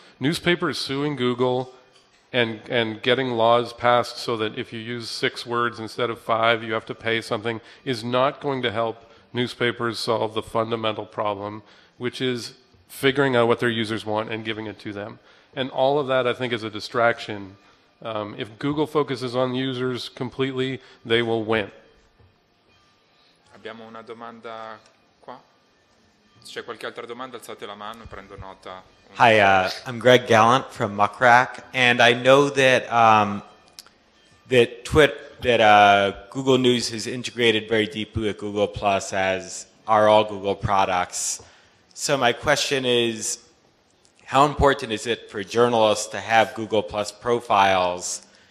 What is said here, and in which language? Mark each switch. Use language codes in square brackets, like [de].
[en] Newspapers suing Google and getting laws passed so that if you use 6 words instead of 5, you have to pay something is not going to help newspapers solve the fundamental problem, which is figuring out what their users want and giving it to them. And all of that, I think, is a distraction. If Google focuses on users completely, they will win. [it] Abbiamo una domanda qua. Se c'è qualche altra domanda, alzate la mano e prendo nota. [en] Hi, I'm Greg Gallant from Muckrack, and I know that Google News has integrated very deeply with Google Plus, as are all Google products. So my question is, how important is it for journalists to have Google Plus profiles?